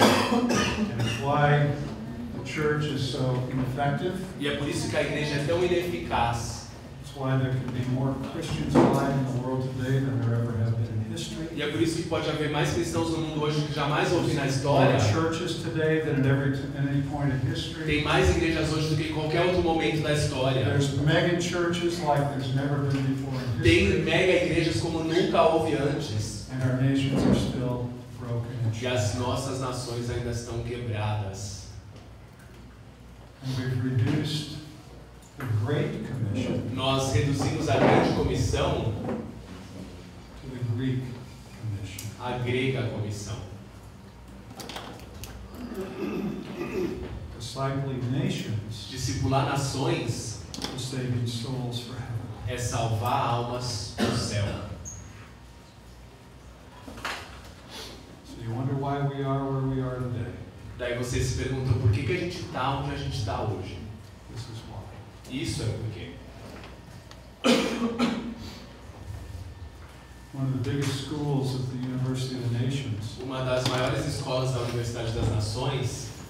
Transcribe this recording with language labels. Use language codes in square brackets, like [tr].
[en] And it's why the church is so ineffective. [pt] E é por isso que a igreja é tão ineficaz. [en] It's why there can be more Christians alive in the world today than there ever have been in history. [pt] E é por isso que pode haver mais cristãos no mundo hoje do que jamais houve na história. [en] More churches today than at any point in history. [pt] Tem mais igrejas hoje do que em qualquer outro momento da história. [en] There's mega churches like there's never been before in history. [pt] Tem mega igrejas como nunca houve antes. [en] And our nations are still broken. [pt] E as nossas nações ainda estão quebradas. [en] And we've reduced. The Great Commission. [pt] Nós reduzimos a Grande Comissão [en] to the Greek Commission. [pt] A Grega Comissão. [en] Discipling nations. [pt] Discipular nações. [en] Is saving souls for heaven. [pt] É salvar almas do céu. [en] So you wonder why we are where we are today. [pt] Daí você se pergunta por que que a gente está onde a gente está hoje. Isso é porque [en] one of the biggest schools of the University of the Nations. [pt] Uma das maiores escolas da Universidade das Nações